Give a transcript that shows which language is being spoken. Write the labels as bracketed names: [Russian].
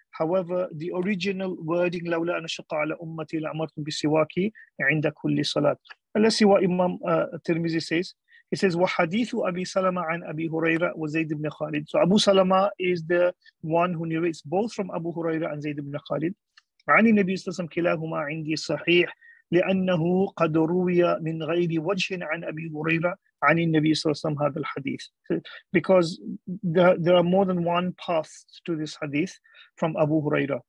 [English] However, the original wording, [Arabic] لَوْلَا أَنَ شَقَّ عَلَى أُمَّتِي لَأَمَرْتُمْ بِسِوَاكِ عِنْدَ كُلِّ صَلَاةٍ. [English] Let's see what Imam Tirmizi says. He says, [Arabic] وَحَدِيثُ أَبِي سَلَمَ عَنْ أَبِي هُرَيْرَ وَزَيْدِ بْنِ خَالِدٍ. [English] So Abu Salama is the one who narrates both from Abu Hurairah and Zayd ibn Khalid. [Arabic] عَنِ النَّبِي صَلَى اللَّهُ كِلَاهُمَا عِنْدِي صَحِيحٌ لِأَنَّهُ قَدْ رُوِيَ مِنْ غَيْرِ وَجْهٍ عَنْ أَبِي هُرَيْرَةَ عَنِ النَّبِيِّ صَلَّى اللَّهُ عَلَيْهِ وَسَلَّمَ هَذَا الْحَدِيثِ. [English] Because there are more than one path to this hadith from Abu Hurairah.